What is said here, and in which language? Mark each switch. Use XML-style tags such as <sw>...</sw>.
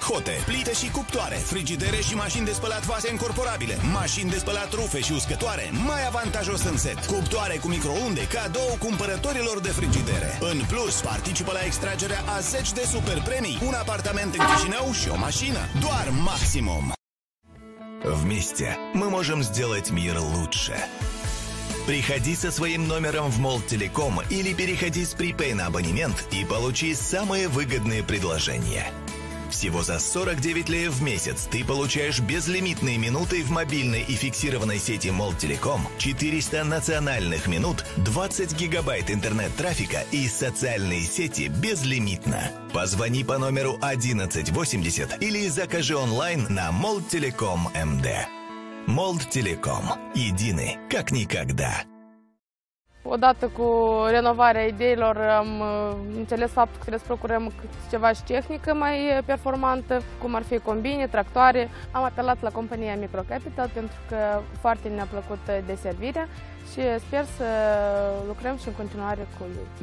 <ro>Hote, plite și cuptoare, frigidere și mașini de spălat vase incorporabile, mașini de spălat rufe și uscătoare, mai avantajos în set. Cuptoare cu microunde, cadou cumpărătorilor de frigidere. În plus, participă la extragerea a 10 de super premii, un apartament în Chișinău și o mașină. Doar Maximum!</ro> <ru>Вместе мы можем сделать мир лучше. Приходи со своим номером в Молл Телеком или переходи с припэй на абонемент и получи самые выгодные предложения. Всего за 49 лев в месяц ты получаешь безлимитные минуты в мобильной и фиксированной сети Молл Телеком, 400 национальных минут, 20 гигабайт интернет-трафика и социальные сети безлимитно. Позвони по номеру 1180 или закажи онлайн на MOLTELECOM.MD. MOLTELECOM. Едины, как никогда.</ru> <ro>Odată cu renovarea ideilor am înțeles faptul că trebuie să procurăm ceva și tehnică mai performantă, cum ar fi combine, tractoare. Am apelat la compania Microcapital pentru că foarte ne-a plăcut deservirea și sper să lucrăm și în continuare cu ei.</ro>